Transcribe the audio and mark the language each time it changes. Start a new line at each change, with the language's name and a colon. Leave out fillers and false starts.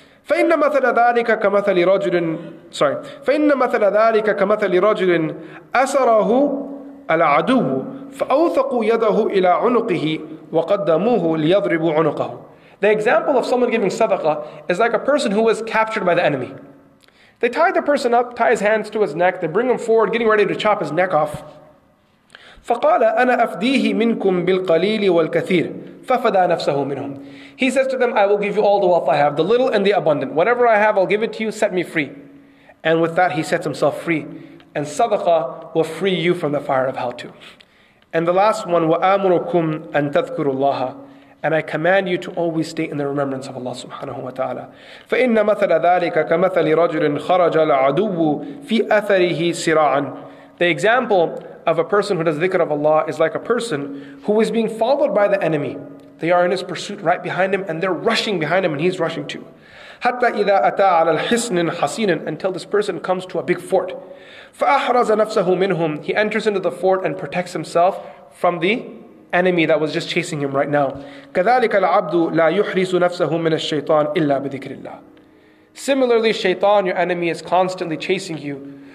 Arabic: فَإِنَّ مَثَلَ ذَٰلِكَ كَمَثَلِ رَجُلٍ فَإِنَّ مَثَلَ ذَٰلِكَ كَمَثَلِ رَجُلٍ أَسَرَهُ الْعَدُوُّ فَأَوْثَقُوا يَدَهُ إِلَى عُنُقِهِ وَقَدَّمُوهُ لِيَضْرِبُوا عُنُقَهُ.
English: The example of someone giving sadaqah is like a person who was captured by the enemy. They tie the person up, tie his hands to his neck, they bring him forward, getting ready to chop his neck off.
Arabic: فقال أنا أفديه منكم بالقليل والكثير ففدى نفسه منهم.
English: He says to them, I will give you all the wealth I have, the little and the abundant. Whatever I have, I'll give it to you, set me free. And with that, he sets himself free. And sadaqah will free you from the fire of hell too. And the last one,
Arabic: وَآمُرُكُمْ أَن تَذْكُرُ اللَّهَ.
English: And I command you to always stay in the remembrance of Allah subhanahu wa ta'ala.
Arabic: فَإِنَّ مَثَلَ ذَلِكَ كَمَثَلِ رَجُلٍ خَرَجَ الْعَدُوُّ فِي أَثَرِهِ سِرَاعًا.
English: The example of a person who does dhikr of Allah is like a person who is being followed by the enemy. They are in his pursuit right behind him, and they're rushing behind him, and he's rushing too.
Arabic: حَتَّى إِذَا أَتَى عَلَى الْحِسْنٍ حَسِينٍ.
English: Until this person comes to a big fort.
Arabic: فَأَحْرَزَ نَفْسَهُ مِنْهُمْ.
English: He enters into the fort and protects himself from the enemy that was just chasing him right now.
Arabic: كَذَلِكَ الْعَبْدُ لَا يُحْرِسُ نَفْسَهُ مِنَ الشَّيْطَانِ إِلَّا بِذِكْرِ اللَّهِ.
English: Similarly, shaitan, your enemy, is constantly chasing you.